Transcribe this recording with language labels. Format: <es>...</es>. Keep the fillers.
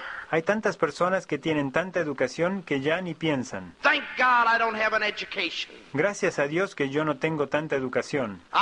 <es>hay tantas personas que tienen tanta educación que ya ni piensan</es> <en>Thank God I don't have an education.</en> <es>gracias a dios que yo no tengo tanta educación.</es>